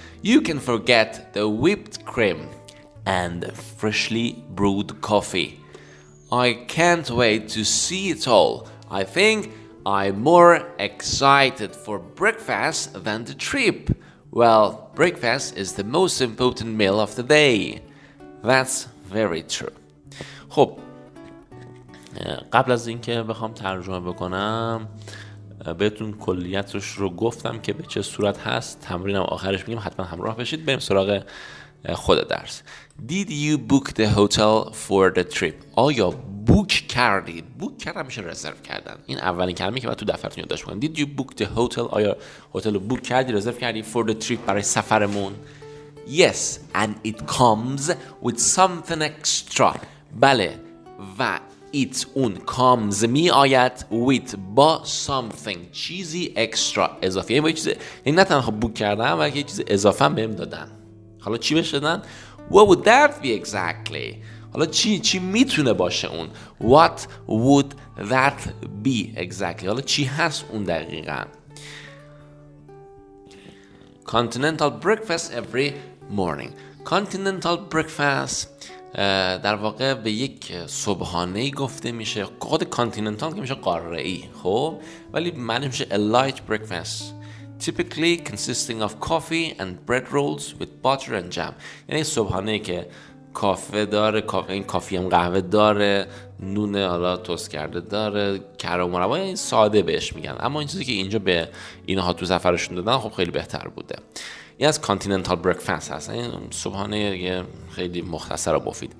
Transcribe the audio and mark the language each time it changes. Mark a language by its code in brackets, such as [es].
[en] You can forget the whipped cream and the freshly brewed coffee. I can't wait to see it all. I think I'm more excited for breakfast than the trip. Well, breakfast is the most important meal of the day. That's very true. [fa] خب قبل از اینکه بخوام ترجمه بکنم بهتون کلیتش رو گفتم که به چه صورت هست. تمرینم آخرش میگم، حتما همراه بشید. بریم سراغ خود درس. [en] Did you book the hotel for the trip? [fa] آیا بوک کردی؟ بوک کردم میشه رزرو کردن. این اولین کلمه‌ای که باید تو دفترتون یاد داشته باشید. [en] Did you book the hotel? [fa] آیا هتل رو بوک کردی، رزرو کردی [en] for the trip، [fa] برای سفرمون؟ [en] Yes, and it comes with something extra. [fa] بله، و [en] it [fa] اون [en] comes [fa] می آید [en] with [fa] با [en] something، [fa] چیزی [en] extra، [fa] اضافی. یعنی چیز، نه تنها بوک کردم بلکه یه چیز اضافه بهم دادن. حالا چی بهش دادن؟ [en] What would that be exactly؟ [fa] حالا چی میتونه باشه اون؟ What would that be exactly؟ حالا چی هست اون دقیقا؟ [en] Continental breakfast every morning. [fa] Continental breakfast در واقع به یک صبحانه گفته میشه. خود continental که میشه قاره ای، خب، ولی معنی میشه [en] a light breakfast. Typically consisting of coffee and bread rolls with butter and jam. [fa] یعنی صبحانه که کافه داره، کافی هم قهوه داره، نون حالا توست کرده داره، کره و مربا، یعنی ساده بهش میگن. اما این چیزی که اینجا به اینها تو سفرشون دادن خب خیلی بهتر بوده. این از continental breakfast هست، یعنی صبحانه یه خیلی مختصر و مفید.